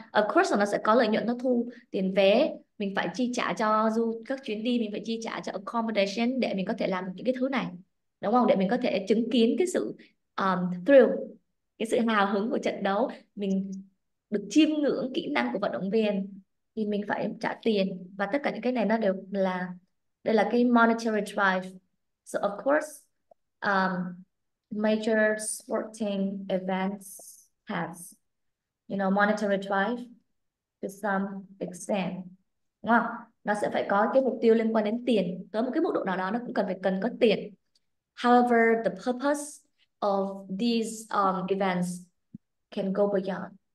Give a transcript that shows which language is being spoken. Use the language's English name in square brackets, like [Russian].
[Vietnamese] Of course nó sẽ có lợi nhuận, nó thu tiền vé, mình phải chi trả cho du các chuyến đi, mình phải chi trả cho accommodation để mình có thể làm những cái thứ này, đúng không? Để mình có thể chứng kiến cái sự thrill, cái sự hào hứng của trận đấu, mình được chiêm ngưỡng kỹ năng của vận động viên thì mình phải trả tiền, và tất cả những cái này nó đều là, đây là cái monetary drive. [English] So of course major sporting events has, you know, monetary drive to some extent, [Vietnamese] đúng không? Nó sẽ phải có cái mục tiêu liên quan đến tiền, tới một cái mức độ nào đó nó cũng cần phải cần có tiền. [English] However, the purpose of these events can go beyond.